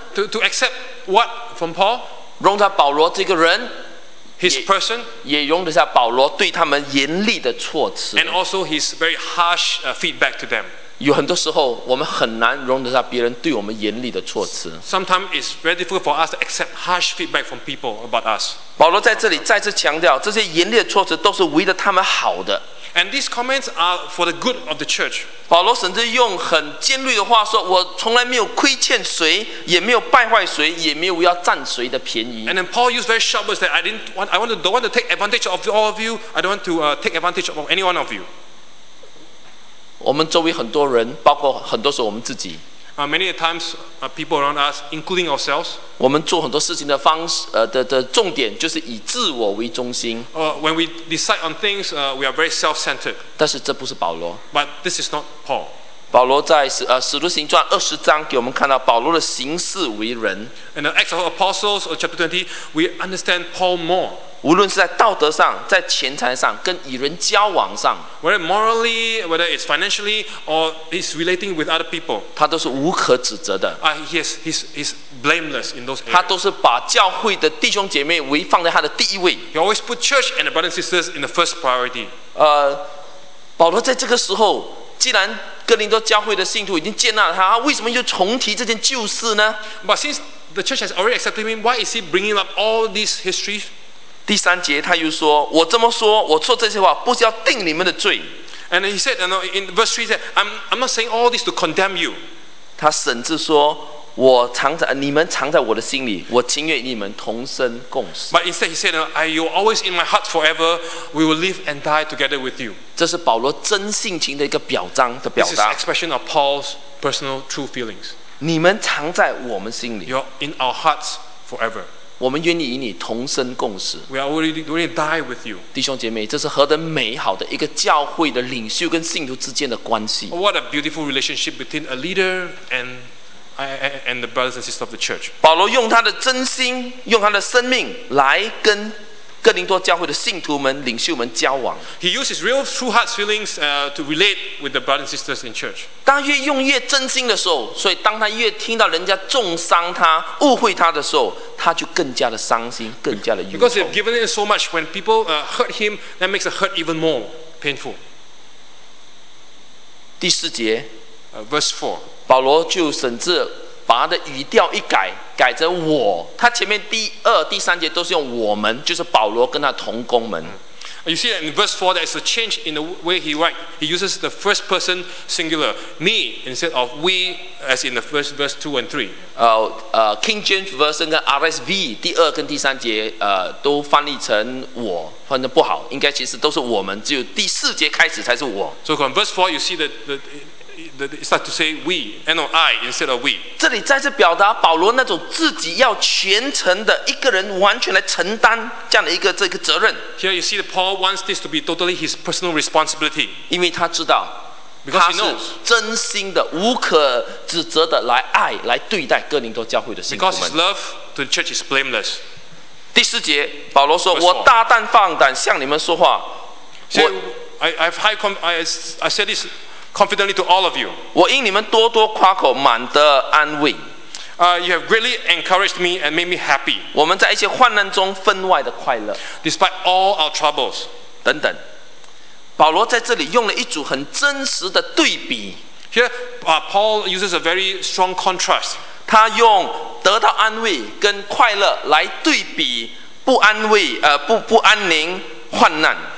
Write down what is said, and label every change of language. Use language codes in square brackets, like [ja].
[en] To accept what from Paul? [zh] 容得保罗这个人。 [en] His person, [zh] 也容得下保罗对他们严厉的措辞 [en] and also his very harsh feedback to them. [zh] 有很多时候，我们很难容得下别人对我们严厉的措辞 [en] Sometimes it's very difficult for us to accept harsh feedback from people about us. [zh] 保罗在这里再次强调，这些严厉的措辞都是为了他们好的 [en] And these comments are for the good of the church. [zh] 保罗甚至用很尖锐的话说：“我从来没有亏欠谁，也没有败坏谁，也没有要占谁的便宜。” [en] And then Paul used very sharp words that I don't want to take advantage of all of you. I don't want to take advantage of any one of you. [zh] 我们周围很多人，包括很多时候我们自己。 [en] Many times, people around us, including ourselves. [zh] 我们做很多事情的方式，的重点就是以自我为中心。 [en] When we decide on things, we are very self-centered. [zh] 但是这不是保罗。 [en] But this is not Paul. [zh] 保罗在使徒行传二十章给我们看到保罗的行事为人。 [en] In the Acts of Apostles, chapter 20, we understand Paul more. [zh] 无论是在道德上，在钱财上，跟与人交往上 [en] ，whether morally, whether it's financially, or it's relating with other people， [zh] 他都是无可指责的。 [en] He's blameless in those areas。 [zh] 他都是把教会的弟兄姐妹为放在他的第一位。 [en] He always put church and the brothers and sisters in the first priority。 [zh] 保罗在这个时候，既然哥林多教会的信徒已经接纳了他，他为什么又重提这件旧事呢 [en] ？But since the church has already accepted him, why is he bringing up all these histories？ [zh] 第三节他又说，我这么说，我说这些话不是要定你们的罪。 [en] And he said, you know, in verse 3, he said, I'm not saying all this to condemn you. [zh] 他甚至说，我藏在你们藏在我的心里，我情愿你们同生共死。 [en] But instead, he said, I you always in my heart forever. We will live and die together with you. [zh] 这是保罗真性情的一个表彰的表达。 [en] This is expression of Paul's personal true feelings. [zh] 你们藏在我们心里。 [en] You're in our hearts forever. [zh] 我们愿意与你同生共死。 [en] We are willing to die with you. [zh] 弟兄姐妹，这是何等美好的一个教会的领袖跟信徒之间的关系。 [en] What a beautiful relationship between a leader and the brothers and sisters of the church. [zh] 保罗用他的真心，用他的生命来跟哥林多教会的信徒们、领袖们交往。 [en] He used his real true heart feelings to relate with the brothers and sisters in church. [zh] 当越用越真心的时候，所以当他越听到人家重伤他、误会他的时候，他就更加的伤心，更加的忧愁。 [en] Because he had given in so much, when people hurt him, that makes the hurt even more painful. [zh] 第四节 [en] verse 4. [zh] 保罗就甚至把他的语调一改，改成我。他前面第二、第三节都是用我们，就是保罗跟他同工们。 [en] You see in verse 4, there's a change in the way he writes. He uses the first person singular, me, instead of we, as in the first verse 2 and 3. [zh] King James Version 跟 RSV 第二跟第三节都翻译成我，翻译不好，应该其实都是我们，只有第四节开始才是我。 [en] So in verse 4, you see that it starts to say we, and not I, instead of we. [zh] 这里再次表达保罗那种自己要全程的一个人完全来承担这样的一个这个责任。 [en] Here you see that Paul wants this to be totally his personal responsibility. [zh] 因为他知道， [en] because he knows, [zh] 他是真心的、无可指责的来爱、来对待哥林多教会的信徒们。 [en] Because his love to the church is blameless. [zh] 第四节，保罗说：“我大胆放胆向你们说话。 [en] See, ”我 I have high com I said this. Confidently to all of you. [zh] 我因你们多多夸口，满得安慰。 [en] You have greatly encouraged me and made me happy. [zh] 我们在一些患难中分外的快乐。 [en] Despite all our troubles. [zh] 等等，保罗在这里用了一组很真实的对比。 [en] Here, Paul uses a very strong contrast. [zh] 他用得到安慰跟快乐来对比不安慰，不安宁患难。